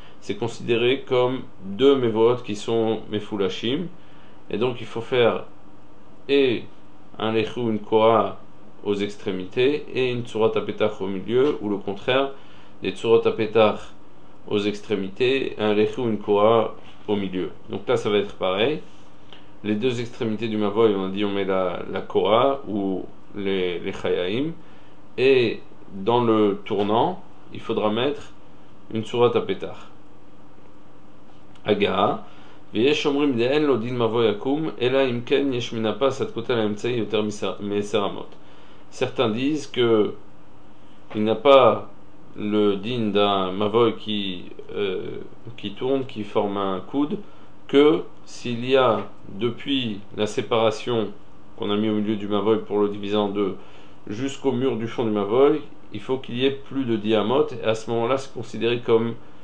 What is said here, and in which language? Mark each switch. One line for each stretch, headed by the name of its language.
French: C'est considéré comme deux mevoot qui sont mefulashim, et donc il faut faire et un lechou, une kora aux extrémités et une tsurat apetach au milieu, ou le contraire, des tsurat apetach aux extrémités et un lechou, une kora au milieu. Donc là, ça va être pareil. Les deux extrémités du mavoy, on a dit, on met la kora ou les chayaim, et dans le tournant, il faudra mettre une tsurat apetach. Aga.
Hebrew: ויש אומרים דאין לו דין מבוי עקום, אלא אם כן יש מן הפס עד כותל האמצעי יותר מ-10 אמות.
French: Certains disent que il n'a pas le din d'un mavoy qui tourne, qui forme un coude, que s'il y a depuis la séparation qu'on a mis au milieu du mavoy pour le diviser en deux jusqu'au mur du fond du mavoy, il faut qu'il y ait plus de 10 amot, et à ce moment-là c'est considéré comme